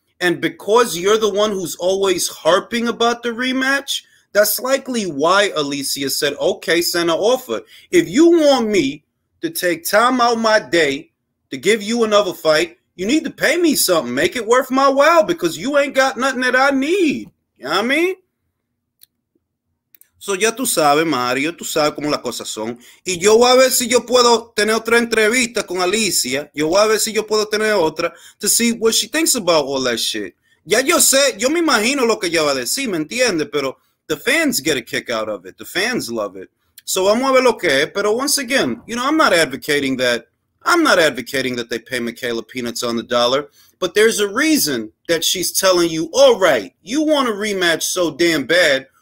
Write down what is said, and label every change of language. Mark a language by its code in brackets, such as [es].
[en] And because you're the one who's always harping about the rematch, that's likely why Alicia said, okay, send an offer. If you want me to take time out my day to give you another fight, you need to pay me something. Make it worth my while, because you ain't got nothing that I need. You know what I mean? [es] So ya tú sabes, Mario, tú sabes cómo las cosas son. Y yo voy a ver si yo puedo tener otra entrevista con Alicia. Yo voy a ver si yo puedo tener otra [en] to see what she thinks about all that shit. [es] Ya yo sé, yo me imagino lo que ella va a decir, ¿me entiendes? [en] Pero the fans get a kick out of it. The fans love it. So [es] vamos a ver lo que es. [en] Pero once again, you know, I'm not advocating that they pay Michaela peanuts on the dollar. But there's a reason that she's telling you, all right, you want a rematch so damn bad.